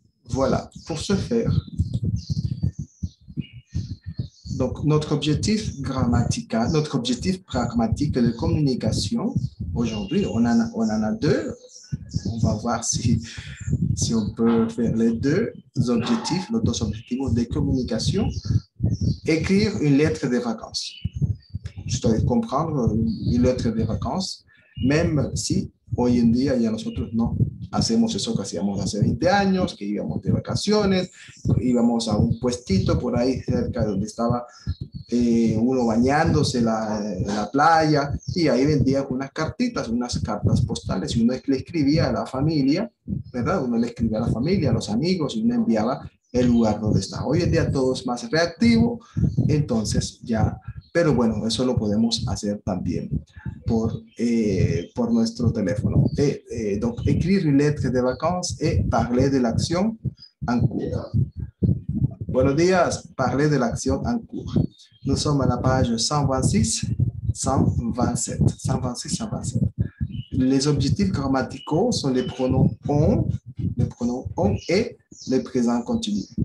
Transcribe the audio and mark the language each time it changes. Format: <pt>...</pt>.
<fr>Voilà, pour ce faire, donc notre objectif pragmatique de communication, aujourd'hui, on en a deux. On va voir si on peut faire les deux objectifs, nos deux objectifs de communication, écrire une lettre de vacances. Je dois comprendre une lettre de vacances, même si</fr> <es>hoy en día ya nosotros no hacemos eso que hacíamos hace 20 años, que íbamos de vacaciones, íbamos a un puestito por ahí cerca donde estaba uno bañándose la playa, y ahí vendían unas cartitas, unas cartas postales, y uno le escribía a la familia, ¿verdad? Uno le escribía a la familia, a los amigos, y uno enviaba el lugar donde está. Hoy en día todo es más reactivo, entonces ya, pero bueno, eso lo podemos hacer también por nuestro teléfono.</es> <fr>Donc, écrire une lettre de vacances et parler de l'action en cours.</fr> <es>Buenos días,</es> <fr>parler de l'action en cours. Nous sommes à la page 126-127. Les objectifs grammaticaux sont les pronoms on et le présent continu.</fr>